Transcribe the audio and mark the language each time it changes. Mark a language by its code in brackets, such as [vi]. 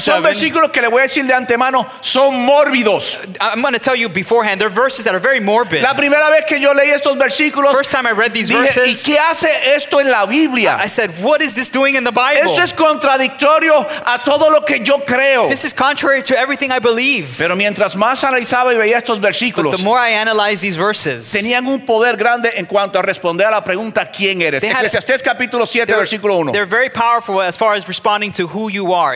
[es] Son versículos que le voy a decir de antemano, son mórbidos. [en] I'm going to tell you beforehand, they're verses that are very morbid. [es] La primera vez que yo leí estos versículos, [en] first time I read these [es] dije, [en] verses, [es] ¿y qué hace esto en la Biblia? [en] I said, what is this doing in the Bible? [es] Esto es contradictorio a todo lo que yo creo. [en] This is contrary to everything I believe. [es] Pero mientras más analizaba y veía estos versículos, [en] but the more I analyzed these verses. [es] Tenían un poder grande en cuanto a responder a la pregunta ¿quién eres? Eclesiastés capítulo 7 versículo 1. [en] They're very powerful as far as responding to who you are.